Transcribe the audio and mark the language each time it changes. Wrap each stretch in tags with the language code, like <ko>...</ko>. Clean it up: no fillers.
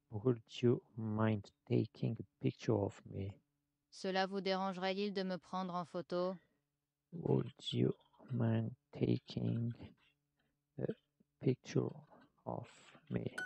<en>Would you mind taking a picture of me?</en> <fr>Cela vous dérangerait-il de me prendre en photo?</fr> <en>Would you mind taking a picture of me?</en>